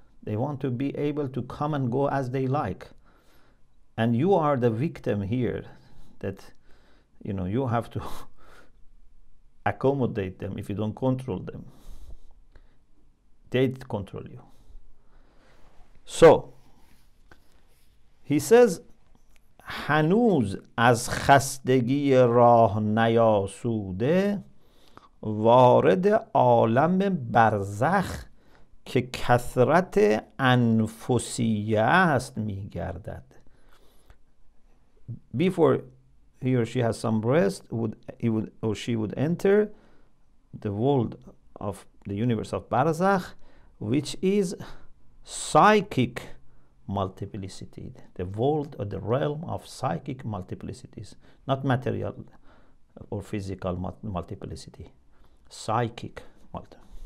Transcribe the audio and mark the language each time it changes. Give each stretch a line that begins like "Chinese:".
English: They want to be able to come and go as they like. And you are the victim here, that, you know, you have to accommodate them. If you don't control them, they control you. So he says,
Persian: hanuz az khastegi rah nayasude وارد عالم برزخ که کثرت انفسیه است میگردد.
English: Before he or she has some rest, would he would or she would enter the world of the universe of Barzakh, which is psychic multiplicity, the world or the realm of psychic multiplicities, not material or physical multiplicity, psychic multiplicity.